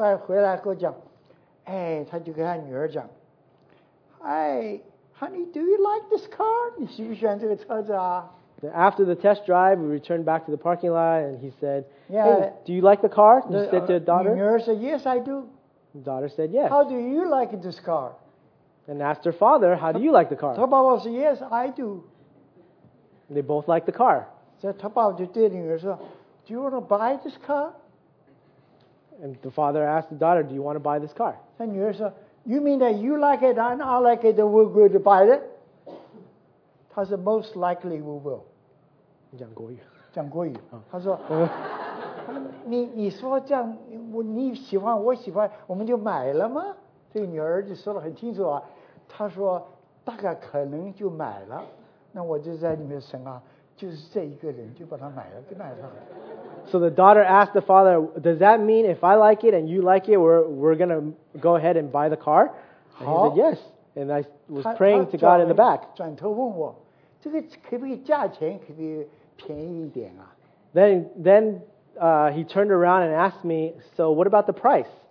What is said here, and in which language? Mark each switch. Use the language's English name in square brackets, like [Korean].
[Chinese] 好了，等到我他出来回来跟我讲，哎，他就跟他女儿讲, [English] Hi, honey, do you like this car? [Chinese] 你喜不喜欢这个车子啊？ [English] After the test drive, we returned back to the parking lot, and he said, yeah, hey, do you like the car? He said to his daughter. [Chinese] 女儿 [English] said, yes, I do. The daughter said, yes. How do you like this car? And asked her father, how do you like the car? [Chinese] 她爸爸 [English] said, yes, I do. They both like the car. [Chinese] 她爸爸就对女儿说, [English] do you want to buy this car? And the father asked the daughter, do you want to buy this car? [Chinese] 她女儿说, [English] you mean that you like it and I like it, then we're going to buy it? [Chinese] 她说, [English] most likely we will. [Chinese] 讲国语。她说, 你说这样，你喜欢我喜欢，我们就买了吗？这个女儿就说得很清楚啊，她说大概可能就买了。那我就在里面想啊，就是这一个人就把它买了，给买了。 [English] So the daughter asked the father, does that mean if I like it and you like it, we're going to go ahead and buy the car? And he said yes. And I was praying to God in the back. [Chinese] 转头问我，这个可不可以价钱可不可以便宜一点啊？ [English] Then he turned around and asked me, so what about the price?